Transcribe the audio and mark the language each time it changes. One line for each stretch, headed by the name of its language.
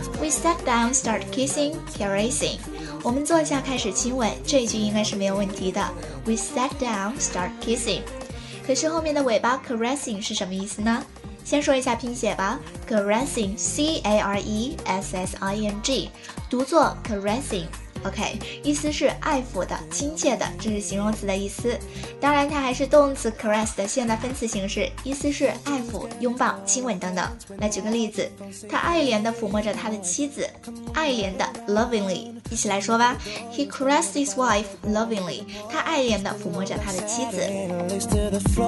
English: Step down, start kissing, caressing.
Chinese: 我们坐下开始亲吻，这一句应该是没有问题的。
English: We sat down, start kissing.
Chinese: 可是后面的尾巴 caressing 是什么意思呢？先说一下拼写吧。Caressing, C-A-R-E-S-S-I-N-G， 读作 caressing。 OK， 意思是爱抚的、亲切的，这是形容词的意思。当然，它还是动词 caress 的现在分词形式，意思是爱抚、拥抱、亲吻等等。来举个例子，他爱怜地抚摸着他的妻子，爱怜的 lovingly。一起来说吧
English: ，He caressed his wife lovingly。
Chinese: 他爱怜地抚摸着他的妻子。